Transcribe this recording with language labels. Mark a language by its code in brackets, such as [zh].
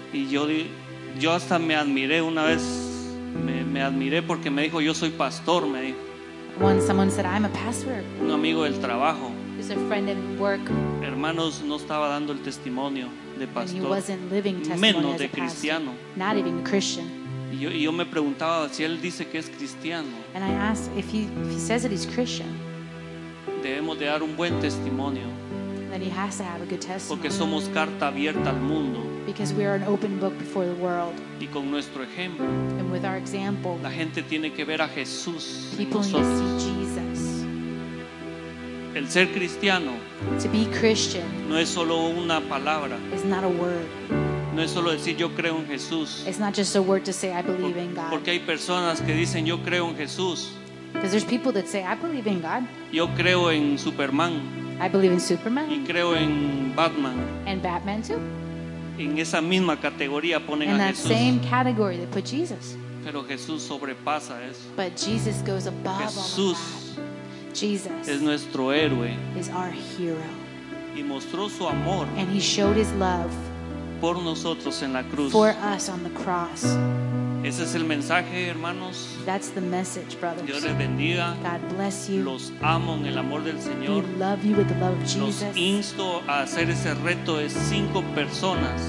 [es] Y yo hasta me admiré una vez, me admiré porque me dijo, yo soy pastor, me dijo. [en] When someone said, I'm a pastor. [es] Un amigo del trabajo. [en] It's a friend at work. [es] Hermanos, no estaba dando el testimonio de pastor. [en] And he wasn't living testimony [es] menos [en] as [es] de cristiano. [en] Pastor, not even Christian. [es] Y yo me preguntaba si él dice que es cristiano. [en] And I asked if he says that he's Christian. [es] Debemos de dar un buen testimonio. [en] Then he has to have a good testimony. [es] Porque somos carta abierta al mundo. [en] Because we are an open book before the world. [es] Y con nuestro ejemplo, [en] and with our example, [es] la gente tiene que ver a Jesús. [en] People [es] nosotros [en] need to see Jesus. [es] El ser cristiano, [en] to be Christian, [es] no es solo una palabra. [en] It's not a word. [es] No es solo decir yo creo en Jesús. [en] It's not just a word to say I believe in God. [es] Porque hay personas que dicen yo creo en Jesús. [en] Because there's people that say I believe in God. [es] Yo creo en Superman. [en] I believe in Superman. [es] Y creo en Batman. [en] And Batman too. [es] En esa misma categoría ponen [en] in [es] a [en] that [es] Jesús. [en] Same category they put Jesus. [es] Pero Jesús sobrepasa eso. [en] But Jesus goes above [es] Jesús [en] all of that. Jesus [es] es nuestro héroe. [en] Is our hero. [es] Y mostró su amor. [en] And he showed his love. [es] Por nosotros en la cruz. [en] For us on the cross. [es] Ese es el mensaje, hermanos. [en] That's the message, brothers. [es] Dios les bendiga. [en] God bless you. [es] Los amo en el amor del Señor. [en] We love you with the love of Jesus. [es] Los insto a hacer ese reto de 5 personas.